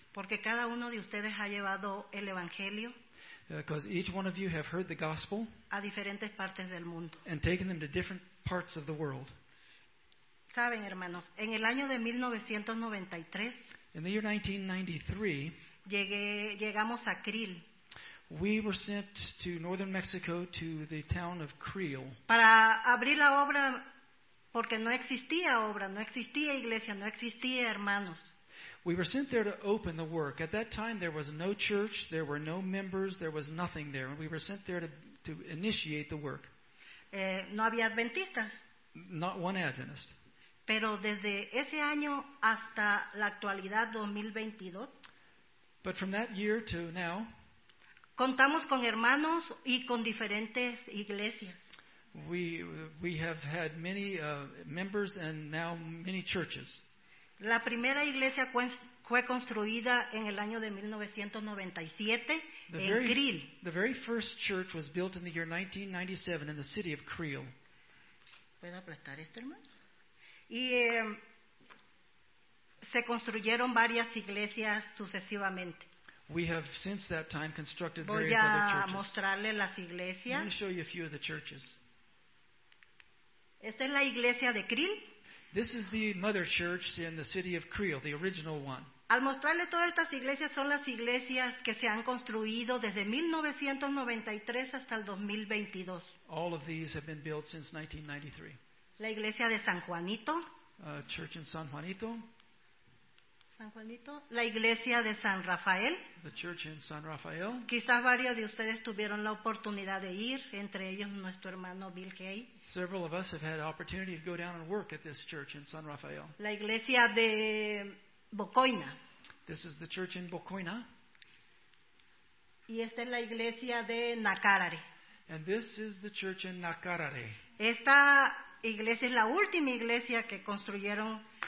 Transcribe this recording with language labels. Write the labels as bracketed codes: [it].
[es] Porque cada uno de ustedes ha llevado el evangelio. [en] Because each one of you have heard the gospel [es] a diferentes partes del mundo. [en] And taken them to different parts of the world. [es] Saben, hermanos, en el año de 1993, [en] in the year 1993, [es] llegamos a Creel. [en] We were sent to northern Mexico to the town of Creel. [es] Para abrir la obra, porque no existía obra, no existía iglesia, no existía hermanos. [en] We were sent there to open the work. At that time, there was no church, there were no members, there was nothing there. We were sent there to initiate the work. [es] No había adventistas. [en] Not one Adventist. [es] Pero desde ese año hasta la actualidad, 2022. [en] But from that year to now, [es] contamos con hermanos y con diferentes iglesias. [en] We have had many members and now many churches. [es] La primera iglesia fue construida en el año de 1997 en Creel. [en] The very first church was built in the year 1997 in the city of Creel. [es] ¿Puedo aplastar esto, hermano? Y se construyeron varias iglesias sucesivamente. [en] We have since that time constructed various other churches. [es] Voy a mostrarle las iglesias. [en] Let me show you a few of the churches. [es] Esta es la iglesia de Creel. [en] This is the mother church in the city of Creel, the original one. [es] Al mostrarle todas estas iglesias, son las iglesias que se han construido desde 1993 hasta el 2022. [en] All of these have been built since 1993. [es] La iglesia de San Juanito. [en] Church in San Juanito. [es] San Juanito. La iglesia de San Rafael. [en] The church in San Rafael. [es] Quizás varios de ustedes tuvieron la oportunidad de ir, entre ellos nuestro hermano Bill Hay. [en] Several of us have had opportunity to go down and work at this church in San Rafael. [es] La iglesia de Bocoina. [en] This is the church in Bocoina. [es] Y esta es la iglesia de Nacarare. [en] And this is the church in Nacarare. [es] Esta iglesia es la última iglesia que construyeron.